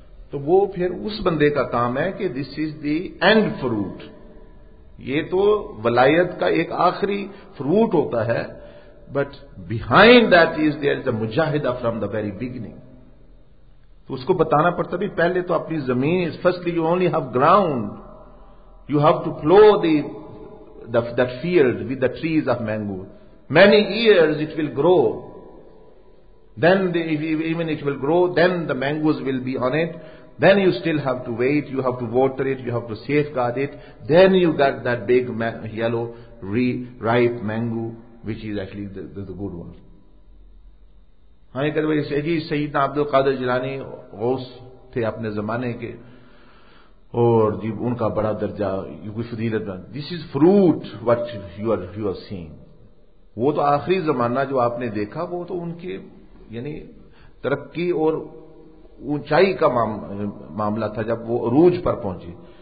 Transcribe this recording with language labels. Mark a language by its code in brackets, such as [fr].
[ur] تو وہ پھر اس بندے کا کام ہے کہ [en] this is the end fruit. [ur] یہ تو ولایت کا ایک آخری فروٹ ہوتا ہے. [en] But behind that is there is a mujahida from the very beginning. [ur] تو اس کو بتانا پڑتا بھی پہلے تو اپنی زمین [en] is firstly you only have ground. You have to plow that field with the trees of mango. Many years it will grow. Then even it will grow, then the mangoes will be on it. Then you still have to wait, you have to water it, you have to safeguard it. Then you get that big yellow ripe mango, which is actually the good one. [ur] ہاں ایک بھائی سے جی سیدنا عبد القادر جیلانی غوث تھے اپنے زمانے کے اور جی ان کا بڑا درجہ فضیلت بن. [en] This is fruit what you are seeing. [ur] وہ تو آخری زمانہ جو آپ نے دیکھا وہ تو ان کے یعنی ترقی اور اونچائی کا معاملہ تھا جب وہ عروج پر پہنچی.